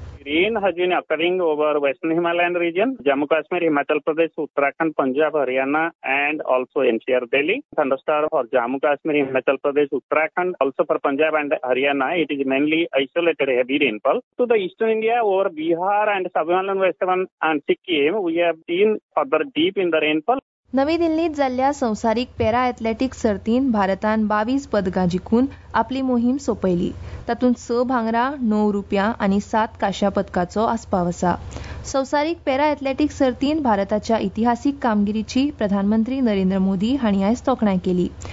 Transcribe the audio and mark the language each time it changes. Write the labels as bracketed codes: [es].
[en] Rain has been occurring over Western Himalayan region, Jammu Kashmir, Himachal Pradesh, Uttarakhand, Punjab, Haryana and also NCR Delhi. Thunderstorm for Jammu Kashmir, Himachal Pradesh, Uttarakhand, also for Punjab and Haryana. It is mainly isolated heavy rainfall. To the Eastern India, over Bihar and Subhimalayan Western and Sikkim, we have been further deep in the rainfall. [gom] नवी दिल्लीत जाल्ल्या संवसारीक para athletic सर्तीन भारतान 22 पदकां जिखून आपली मोहीम सोपयली. तातूंत 6 भांगरा, 9 रुप्या आनी 7 काश्या पदकाचो आस्पाव आसा. संवसारीक पॅरा एथलेटिक सर्तीन भारताच्या इतिहासीक कामगिरीची प्रधानमंत्री नरेंद्र मोदी हांणी आयज तोखणाय केली.